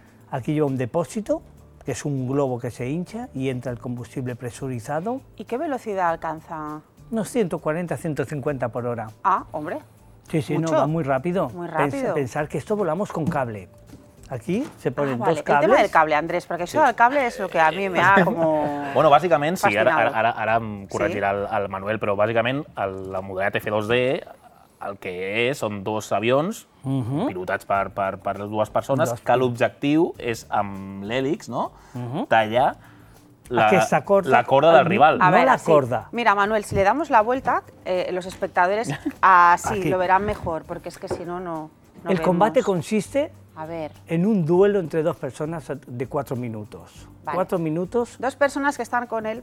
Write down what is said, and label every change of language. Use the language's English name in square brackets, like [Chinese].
[Spanish] Aquí lleva un depósito, que es un globo que se hincha y entra el combustible presurizado. ¿Y qué velocidad alcanza? Unos 140, 150 por hora. Ah, hombre. Sí, sí, ¿mucho? No, va muy rápido. Muy rápido. Pensar que esto volamos con cable. Aquí se ponen vale, dos cables. El tema del cable, Andrés, porque eso del cable es lo que a mí me ha como... [Catalan] Bueno, bàsicament, sí, ara em corregirà el Manuel, però bàsicament la modalitat F2D el que és són dos avions pilotats per dues persones, que l'objectiu és amb l'hèlix, no? Tallar la corda del rival. [Spanish] A ver, no la corda. Mira, Manuel, si le damos la vuelta, los espectadores sí, lo verán mejor, porque es que si no, no El combate consiste en un duelo entre dos personas de 4 minutos. Vale. 4 minutos. Dos personas que están con él.